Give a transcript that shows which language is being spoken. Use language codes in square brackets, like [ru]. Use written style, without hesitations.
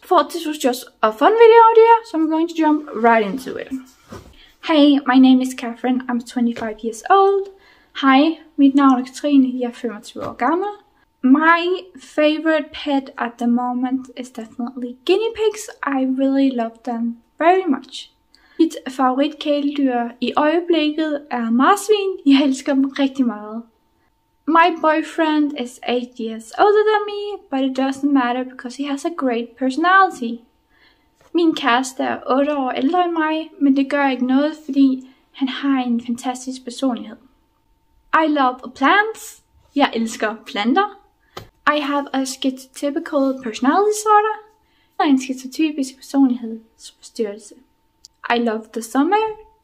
[en] Thought this was just a fun video idea, so I'm going to jump right into it. Hey, my name is Catherine. I'm 25 years old. [da] Hi, mit navn Katrine. Jeg 25 år gammel. [en] My favorite pet at the moment is definitely guinea pigs. I really love them very much. [da] Mit favoritkæledyr i øjeblikket marsvin. Jeg elsker dem rigtig meget. [en] My boyfriend is 8 years older than me, but it doesn't matter because he has a great personality. [da] Min kæreste 8 år ældre end mig, men det gør ikke noget, fordi han har en fantastisk personlighed. [en] I love plants. [da] Jeg elsker planter. [en] I have a schizotypical personality disorder. [da] Jeg har en schizotypisk personlighedsforstyrrelse. [en] I love the summer.